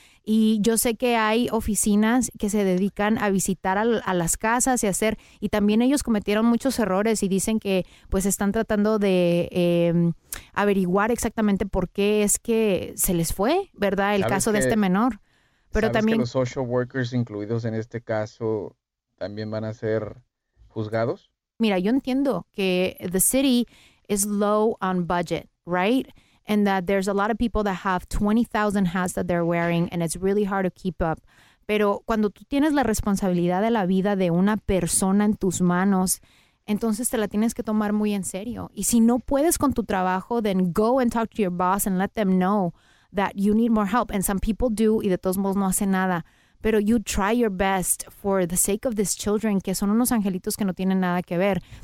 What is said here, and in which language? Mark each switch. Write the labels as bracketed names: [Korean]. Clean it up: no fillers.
[Spanish] Y yo sé que hay oficinas que se dedican a visitar a las casas y hacer, y también ellos cometieron muchos errores y dicen que pues están tratando de averiguar exactamente por qué es que se les fue, ¿verdad? El caso de este menor. Pero también que los social workers incluidos en este caso también van a ser juzgados. Mira, yo entiendo que [English] the city is low on budget, right? And that there's a lot of people that have 20,000 hats that they're wearing and it's really hard to keep up. [Spanish] Pero cuando tú tienes la responsabilidad de la vida de una persona en tus manos, entonces te la tienes que tomar muy en serio. Y si no puedes con tu trabajo, [English] then go and talk to your boss and let them know that you need more help. And some people do, [Spanish] y de todos modos no hace nada. Pero [English] you try your best for the sake of these children, [Spanish] que son unos angelitos que no tienen nada que ver.